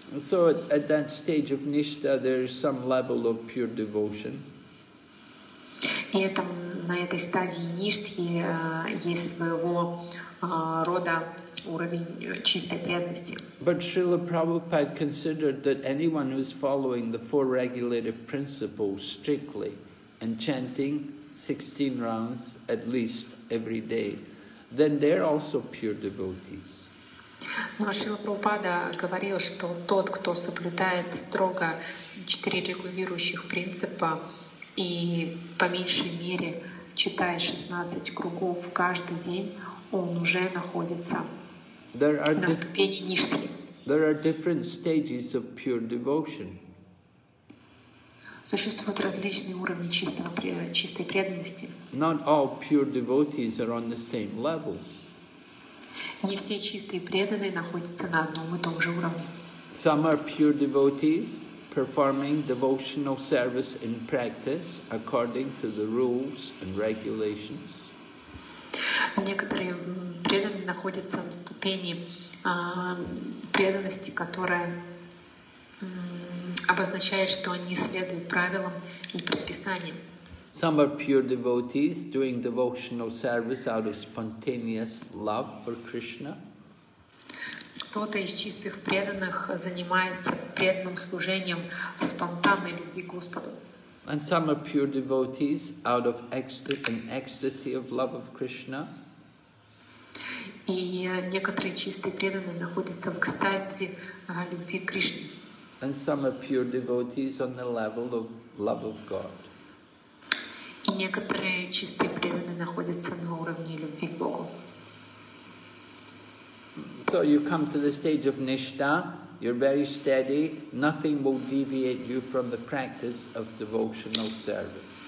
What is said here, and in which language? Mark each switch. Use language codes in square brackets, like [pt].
[en] So at that stage of nishta, there is some level of pure devotion. [ru] И это, на этой стадии ништхи есть своего рода уровень чистой преданности. [en] But Srila Prabhupada considered that anyone who is following the four regulative principles strictly and chanting 16 rounds at least every day, then they're also pure devotees. [ru] Но Шрила Прабхупада говорил, что тот, кто соблюдает строго четыре регулирующих принципа и по меньшей мере читает 16 кругов каждый день, он уже находится на ступени ништхи. [en] There are different stages of pure devotion. [ru] Существуют различные уровни чистой преданности. [en] Not all pure devotees are on the same level. [ru] Не все чистые преданные находятся на одном и том же уровне. [en] Some are pure devotees performing devotional service in practice according to the rules and regulations. [ru] Некоторые преданные находятся в ступени преданности, которая обозначает, что они следуют правилам и предписаниям. [en] Some are pure devotees doing devotional service out of spontaneous love for Krishna. [ru] Кто-то из чистых преданных занимается преданным служением в спонтанной любви к Господу. [en] And some are pure devotees out of an ecstasy of love of Krishna. [ru] И некоторые чистые преданные находятся в экстазе любви к Кришне. [en] And some are pure devotees on the level of love of God. [ru] И некоторые чистые преданные находятся на уровне любви к Богу. [en] So you come to the stage of nishta. You're very steady. Nothing will deviate you from the practice of devotional service.